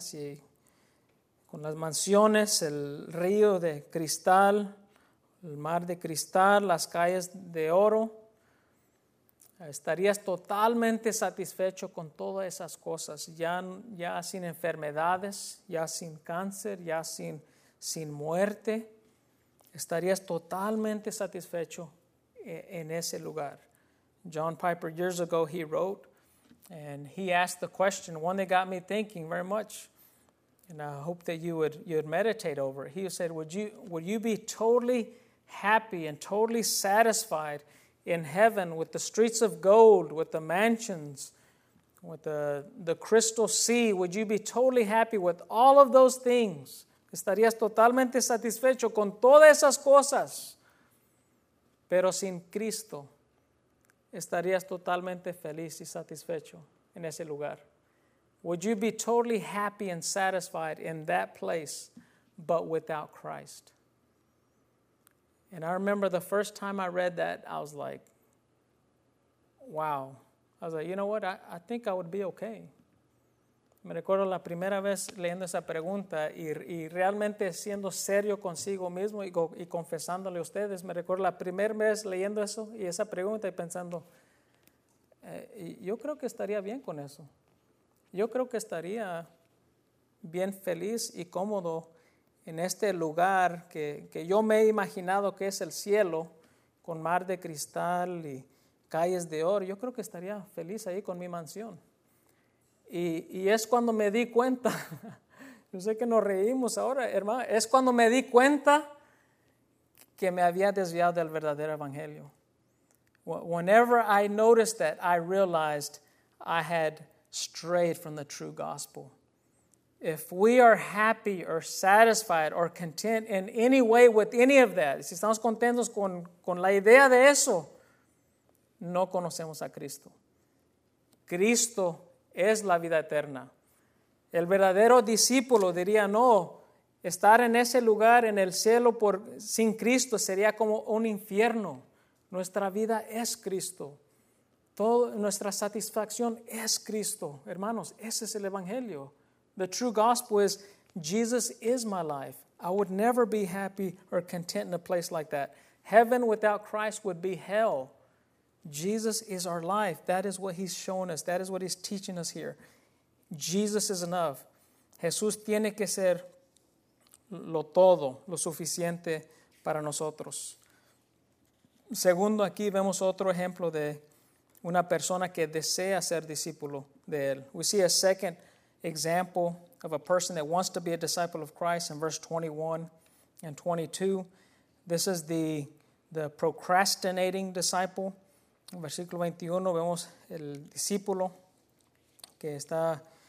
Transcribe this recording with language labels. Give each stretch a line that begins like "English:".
Spanish: Sí, con las mansiones, el río de cristal, el mar de cristal, las calles de oro, estarías totalmente satisfecho con todas esas cosas, ya sin enfermedades, ya sin cáncer, ya sin muerte, estarías totalmente satisfecho en ese lugar.
English: John Piper, years ago, he wrote, and he asked the question, one that got me thinking very much, and I hope that you would meditate over it. He said, would you be totally happy and totally satisfied in heaven with the streets of gold, with the mansions, with the crystal sea? Would you be totally happy with all of those things?
Spanish: ¿Estarías totalmente satisfecho con todas esas cosas? Pero sin Cristo, ¿estarías totalmente feliz y satisfecho en ese lugar?
English: Would you be totally happy and satisfied in that place, but without Christ? And I remember the first time I read that, I was like, wow. I was like, you know what? I think I would be okay.
Spanish: Me recuerdo la primera vez leyendo esa pregunta y realmente siendo serio consigo mismo y confesándole a ustedes. Me recuerdo la primera vez leyendo eso y esa pregunta y pensando, yo creo que estaría bien con eso. Yo creo que estaría bien feliz y cómodo en este lugar que yo me he imaginado que es el cielo, con mar de cristal y calles de oro. Yo creo que estaría feliz ahí con mi mansión. Y es cuando me di cuenta, yo sé que nos reímos ahora, hermano, es cuando me di cuenta que me había desviado del verdadero evangelio.
English: Whenever I noticed that, I realized I had strayed from the true gospel. If we are happy or satisfied or content in any way with any of that,
Spanish: si estamos contentos con la idea de eso, no conocemos a Cristo. Cristo es la vida eterna. El verdadero discípulo diría, no, estar en ese lugar, en el cielo, sin Cristo sería como un infierno. Nuestra vida es Cristo. Todo, nuestra satisfacción es Cristo. Hermanos, ese es el evangelio.
English: The true gospel is, Jesus is my life. I would never be happy or content in a place like that. Heaven without Christ would be hell. Jesus is our life. That is what he's shown us. That is what he's teaching us here. Jesus is enough.
Spanish: Jesús tiene que ser lo todo, lo suficiente para nosotros. Segundo, aquí vemos otro ejemplo de una persona que desea ser discípulo de él.
English: We see a second example of a person that wants to be a disciple of Christ in verse 21 and 22. This is the procrastinating disciple.
Spanish: En versículo 21 vemos el discípulo que está